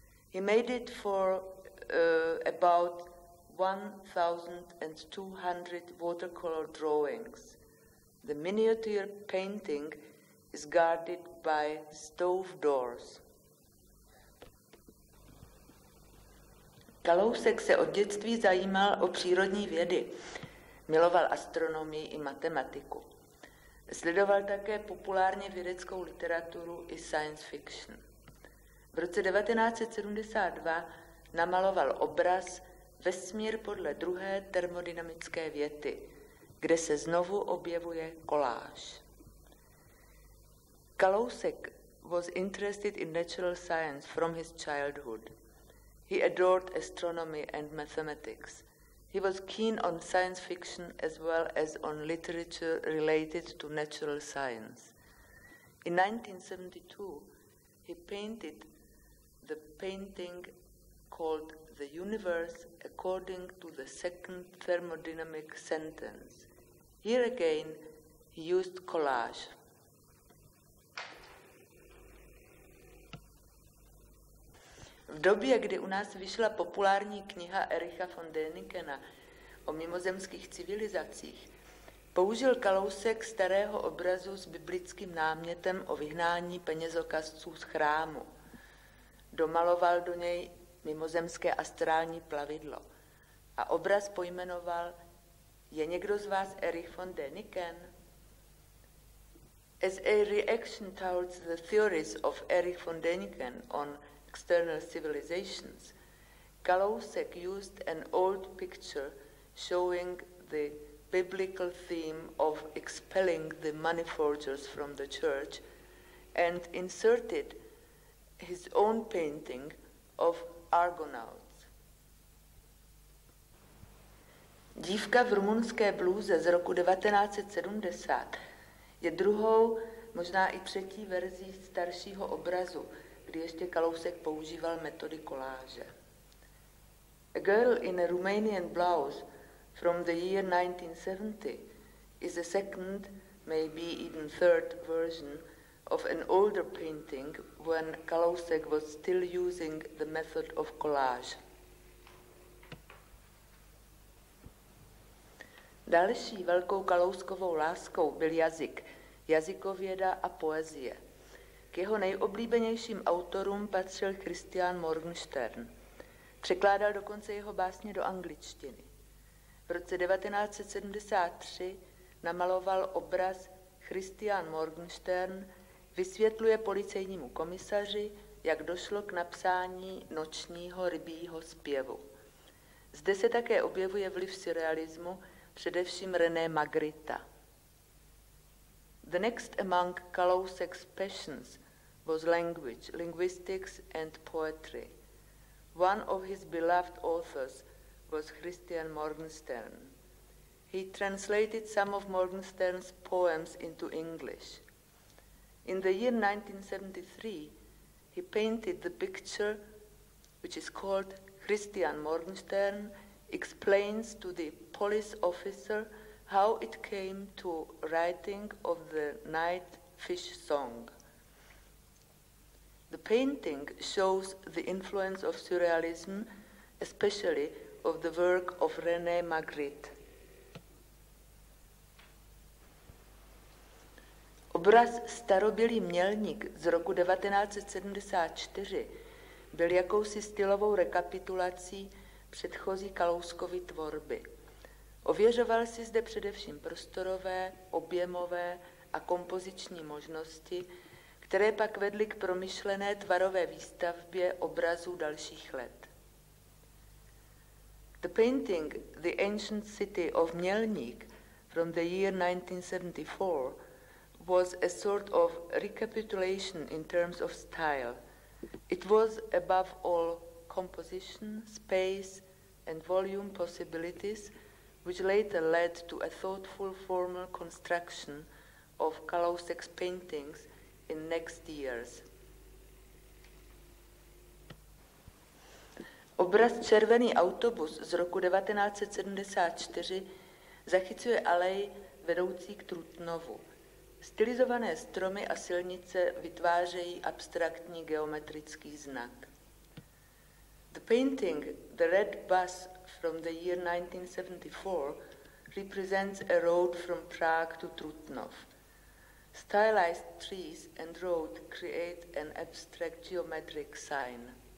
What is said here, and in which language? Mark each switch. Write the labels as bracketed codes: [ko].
[en] He made it for about 1,200 watercolor drawings. The miniature painting is guarded by stove doors. [cs] Kalousek se od dětství zajímal o přírodní vědy. Miloval astronomii i matematiku. Sledoval také populárně vědeckou literaturu i science fiction. V roce 1972 namaloval obraz Vesmír podle druhé termodynamické věty, kde se znovu objevuje koláž. [en] Kalousek was interested in natural science from his childhood. He adored astronomy and mathematics. He was keen on science fiction as well as on literature related to natural science. In 1972, he painted the painting called The Universe According to the Second Thermodynamic Sentence. Here again, he used collage. [cs] V době, kdy u nás vyšla populární kniha Ericha von Denikena o mimozemských civilizacích, použil Kalousek starého obrazu s biblickým námětem o vyhnání penězokasců z chrámu. Domaloval do něj mimozemské astrální plavidlo a obraz pojmenoval Je někdo z vás Erich von Däniken? [en] As a reaction towards the theories of Erich von Däniken on external civilizations, Kalousek used an old picture showing the biblical theme of expelling the money forgers from the church and inserted his own painting of Argonauts. [cs] Dívka v rumunské bluze z roku 1970 je druhou, možná i třetí verzí staršího obrazu, kdy ještě Kalousek používal metody koláže. [en] A girl in a Romanian blouse from the year 1970 is a second, maybe even third version of an older painting when Kalousek was still using the method of collage. [cs] Další velkou Kalouskovou láskou byl jazyk, jazykověda a poezie. K jeho nejoblíbenějším autorům patřil Christian Morgenstern. Překládal dokonce jeho básně do angličtiny. V roce 1973 namaloval obraz Christian Morgenstern vysvětluje policejnímu komisaři, jak došlo k napsání nočního rybího zpěvu. Zde se také objevuje vliv surrealismu, především René Magritte. [en] The next among Kalousek's passions was language, linguistics and poetry. One of his beloved authors was Christian Morgenstern. He translated some of Morgenstern's poems into English. In the year 1973, he painted the picture, which is called Christian Morgenstern, explains to the police officer how it came to writing of the night fish song. The painting shows the influence of surrealism, especially of the work of René Magritte. [cs] Obraz Starobylý mělník z roku 1974 byl jakousi stylovou rekapitulací předchozí Kalouskovy tvorby. Ověřoval si zde především prostorové, objemové a kompoziční možnosti, které pak vedly k promyšlené tvarové výstavbě obrazů dalších let. [en] The painting The Ancient City of Mělník from the year 1974 was a sort of recapitulation in terms of style. It was above all composition, space, and volume possibilities, which later led to a thoughtful formal construction of Kalousek's paintings in next years. [cs] Obraz Červený autobus z roku 1974 zachycuje alej vedoucí k Trutnovu. Stylizované stromy a silnice vytvářejí abstraktní geometrický znak. [en] The painting The Red Bus from the year 1974 represents a road from Prague to Trutnov. Stylized trees and road create an abstract geometric sign.